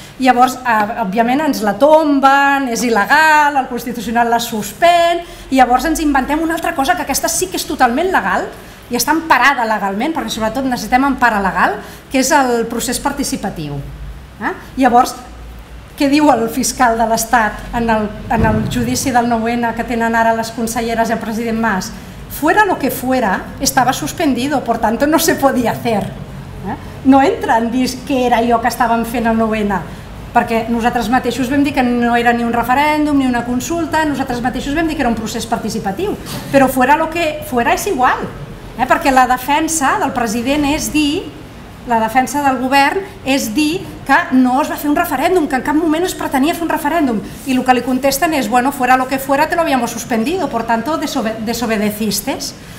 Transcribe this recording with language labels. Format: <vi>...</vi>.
<ca>Llavors, òbviament, ens la tomben, és il·legal, el Constitucional la suspèn, i llavors ens inventem una altra cosa, que aquesta sí que és totalment legal, i està emparada legalment, perquè sobretot necessitem empara legal, que és el procés participatiu. Llavors, què diu el fiscal de l'Estat en el judici del 9N que tenen ara les conselleres i el president Mas?</ca> <es>Fuera lo que fuera, estaba suspendido, por tanto no se podía hacer.</es> <ca>No entra en dir què era allò que estàvem fent el 9N, perquè nosaltres mateixos vam dir que no era ni un referèndum ni una consulta, nosaltres mateixos vam dir que era un procés participatiu, però</ca> <es>fuera lo que fuera</es> <ca>és igual, perquè la defensa del president és dir... La defensa del govern és dir que no es va fer un referèndum, que en cap moment es pretenia fer un referèndum. I el que li contesten és,</ca> <es>bueno, fuera lo que fuera te lo habíamos suspendido, por tanto desobedecistes.</es>